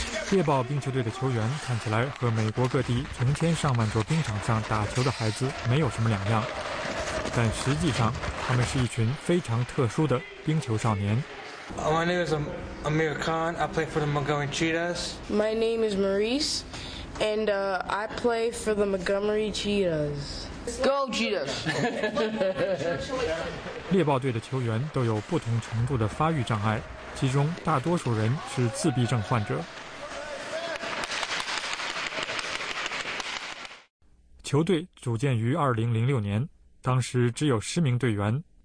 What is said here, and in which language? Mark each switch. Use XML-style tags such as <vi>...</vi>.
<zh>猎豹冰球队的球员看起来和美国各地成千上万座冰场上打球的孩子没有什么两样，但实际上他们是一群非常特殊的冰球少年。</zh> <en>My name is Amir Khan. I play for the Montgomery Cheetahs. My name is Maurice, and I play for the Montgomery Cheetahs. Go Cheetahs!</en> <zh>猎豹队的球员都有不同程度的发育障碍，其中大多数人是自闭症患者。球队组建于2006年，当时只有10名队员。</zh>